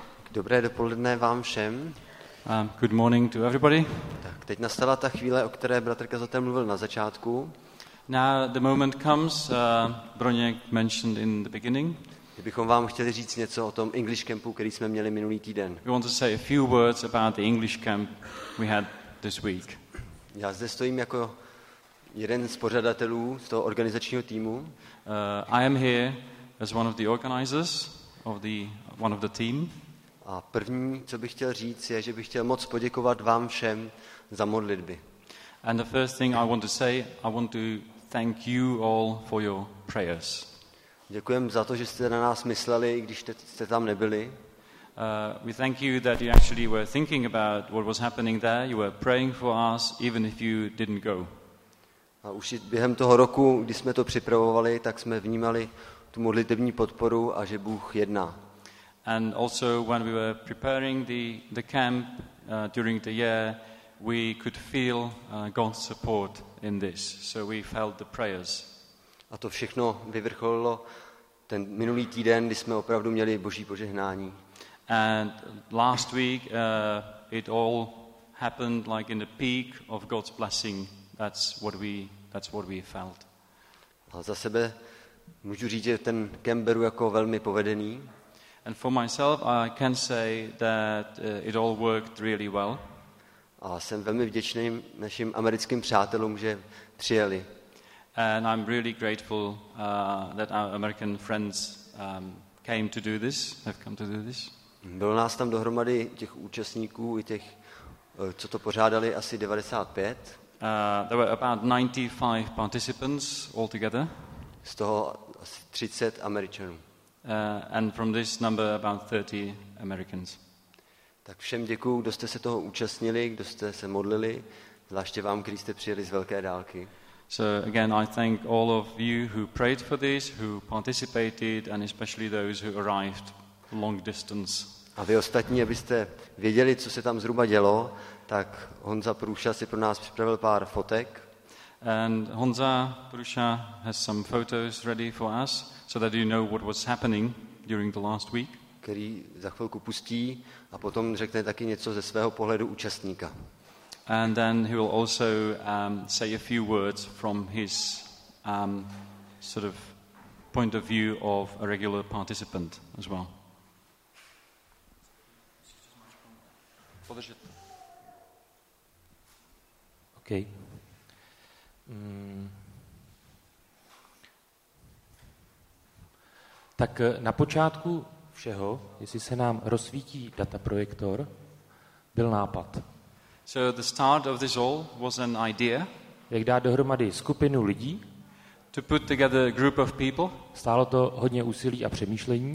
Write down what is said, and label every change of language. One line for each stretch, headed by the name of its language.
Czech: Dobré dopoledne vám všem.
English: Good morning to everybody.
Czech: Tak teď nastala ta chvíle, o které bratr kazatel mluvil na začátku.
English: Now the moment comes, Broněk mentioned in the beginning.
Czech: Kdybychom vám chtěli říct něco o tom English campu, který jsme měli minulý týden.
English: We want to say a few words about the English camp we had this week.
Czech: Já zde stojím jako jeden z pořadatelů z toho organizačního týmu.
English: I am here as one of the organizers of the one of the team.
Czech: A první, co bych chtěl říct, je, že bych chtěl moc poděkovat vám všem za modlitby.
English: And the first thing I want to say, I want to thank you all for your prayers.
Czech: Děkujem za to, že jste na nás mysleli, i když jste tam nebyli.
English: We thank you that you actually were thinking about what was happening there. You were praying for us, even if you didn't go.
Czech: A už během toho roku, kdy jsme to připravovali, tak jsme vnímali tu modlitební podporu a že Bůh jedná.
English: And also when we were preparing the camp during the year, we could feel God's support in this. So we felt the prayers.
Czech: A to všechno vyvrcholilo ten minulý týden, kdy jsme opravdu měli Boží požehnání.
English: And last week it all happened like in the peak of God's blessing. That's what we felt.
Czech: A za sebe můžu říct, že ten camp beru jako velmi povedený.
English: And for myself I can say that it all worked really well.
Czech: A jsem velmi vděčný našim americkým přátelům, že přijeli.
English: And I'm really grateful that our American friends came to do this. Have come to do this.
Czech: Bylo nás tam dohromady těch účastníků i těch co to pořádali asi 95.
English: There were about 95 participants altogether.
Czech: Z toho asi 30 Američanů.
English: And from this number about 30 Americans.
Czech: Tak všem děkuju, kdo jste se toho účastnili, kdo jste se modlili, zvláště vám, kteří jste přijeli z velké dálky.
English: So again I thank all of you who prayed for this, who participated and especially those who arrived long distance.
Czech: A vy ostatní, abyste věděli, co se tam zhruba dělo, tak Honza Průša si pro nás připravil pár fotek.
English: And Honza Průša has some photos ready for us so that you know what was happening during the last week.
Czech: Který za chvilku pustí a potom řekne taky něco ze svého pohledu účastníka.
English: And then he will also say a few words from his sort of point of view of a regular participant as well. Okay.
Czech: Tak na počátku všeho, jestli se nám rozsvítí data projektor, byl nápad.
English: So the start of this all was an idea.
Czech: Jak dát dohromady skupinu lidí?
English: To put together a group of people.
Czech: Stálo to hodně úsilí a přemýšlení.